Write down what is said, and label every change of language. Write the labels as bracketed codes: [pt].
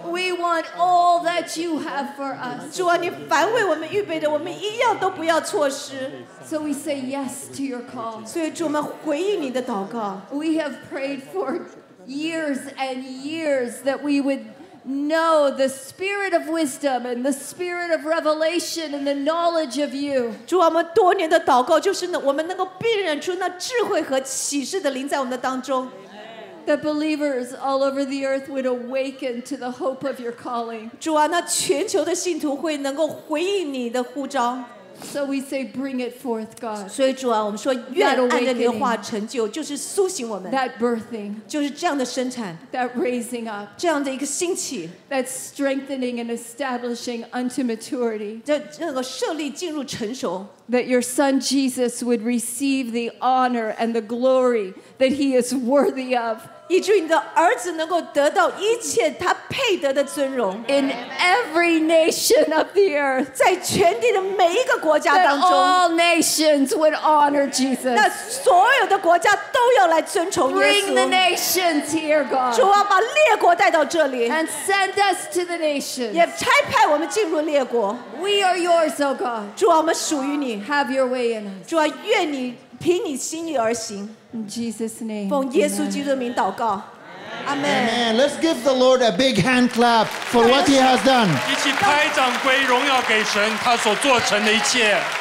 [en] We want all that you have for us. [zh] 主啊，你凡为我们预备的，我们一样都不要错失。 [en] So we say yes to your call. [zh] 所以主，我们回应你的祷告。 [en] We have prayed for years and years that we would No, the spirit of wisdom and the spirit of revelation and the knowledge of you. [zh] 主啊，我们多年的祷告就是我们能够辨认出那智慧和启示的灵在我们的当中。 [en] That believers all over the earth would awaken to the hope of your calling. [zh] 主啊，那全球的信徒会能够回应你的呼召。 [en] So we say, bring it forth, God. [zh] 所以主啊，我们说愿按着你的话成就，就是苏醒我们。 [en] That birthing, [zh] 就是这样的生产。 [en] That raising up, [zh] 这样的一个兴起。 [en] That strengthening and establishing unto maturity, [zh] 这个设立进入成熟。 [en] That your Son Jesus would receive the honor and the glory that He is worthy of. [zh] 以至于你的儿子能够得到一切他配得的尊荣。 [en] In every nation of the earth, [zh] 在全地的每一个国家当中。 [en] That all nations would honor Jesus. [zh] 那所有的国家都要来尊崇耶稣。 [en] Bring the nations here, God. [zh] 主啊，把列国带到这里。 [en] And send us to the nations. [zh] 也差派我们进入列国。 [en] We are yours, O God. [zh] 主啊，我们属于你。 [en] Have your way in us. [zh] 主啊，愿你凭你心意而行。 [en] In Jesus' name, [zh] 奉耶稣基督的名祷告 [en] Amen. Let's give the Lord a big hand clap for what He has done. [zh] 一起拍掌归荣耀给神，他所做成的一切。